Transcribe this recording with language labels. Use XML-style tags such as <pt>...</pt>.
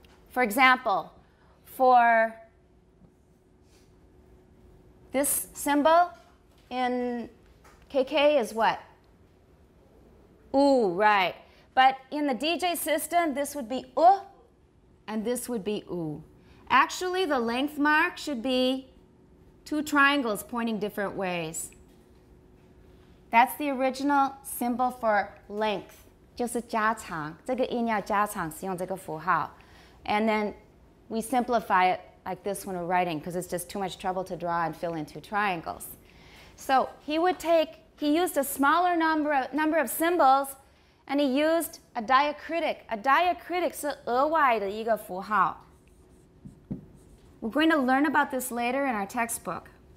<en>For example, for this symbol in KK is what? Ooh, right. But in the DJ system, this would be uh, and this would be ooh. Actually, the length mark should be two triangles pointing different ways. That's the original symbol for length.</en> <zh>就是加长，这个音要加长，使用这个符号。</zh> <en>And then we simplify it like this when we're writing because it's just too much trouble to draw and fill in two triangles. So he would take, he used a smaller number of symbols and he used a diacritic. A diacritic</en> <zh>是额外的一个符号.</zh> <en>We're going to learn about this later in our textbook.</en>